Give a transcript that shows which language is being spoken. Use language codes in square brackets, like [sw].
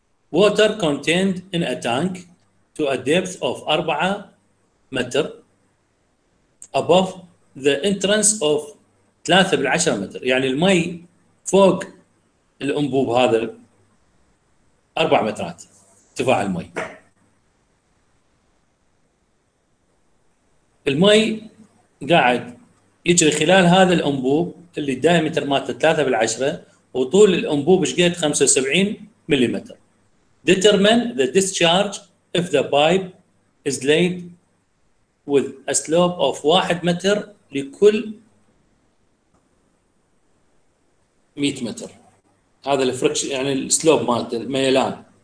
[en] Water contained in a tank to a depth of 4 meters above the entrance of 3 بالعشرة متر، [ar] يعني المي فوق الأنبوب هذا 4 مترات ارتفاع المي. المي قاعد يجري خلال هذا الأنبوب اللي الدايمتر مالته 3 بالعشرة وطول الانبوب ايش قد 75 مليمتر. [en] Determine the discharge if the pipe is laid with a slope of 1 [ar] متر لكل 100 متر. هذا الفركش يعني السلوب مالته الميلان.